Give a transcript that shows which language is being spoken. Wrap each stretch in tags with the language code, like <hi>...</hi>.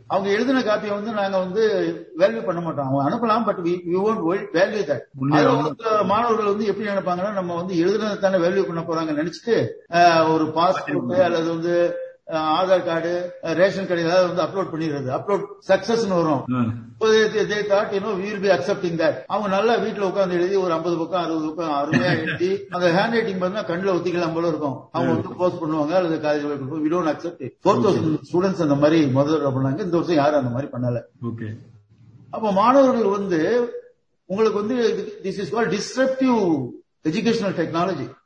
<ta>அவங்க எழுதின காப்பியை வந்து நாங்க வந்து வேல்யூ பண்ண மாட்டோம், அவங்க அனுப்பலாம்,</ta> <en>But we won't value that.</en> <ta>மாணவர்கள் வந்து எப்படி நினைப்பாங்கன்னா நம்ம வந்து எழுதுனது தானே வேல்யூ பண்ண போறாங்க நினைச்சிட்டு ஒரு பாஸ்போர்ட் அல்லது வந்து ஆதார் கார்டு ரேஷன் கார்டு ஏதாவது வந்து அப்லோட் பண்ணிடுறது, அப்லோட் சக்சஸ் வரும்.</ta> <en>They thought, you know, we will be accepting that.</en> <ta>அவங்க நல்லா வீட்டுல உட்காந்து எழுதி ஒரு 50 பக்கம் 60 பக்கம் அருமையா எழுதி அந்த ஹேண்ட் ரைட்டிங் பண்ணா கண்ணுல ஒத்திக்கலாம் போல இருக்கும். அவங்க வந்து போஸ்ட் பண்ணுவாங்க அல்லது காலேஜ் கொடுப்பாங்க.</ta> <en>We don't accept it.</en> <ta>4000 students அந்த மாதிரி முதல்ல பண்ணாங்க, இந்த வருஷம் யாரும் அந்த மாதிரி பண்ணல. அப்ப மாணவர்கள் வந்து உங்களுக்கு வந்து</ta> <en>this is called disruptive educational technology.</en>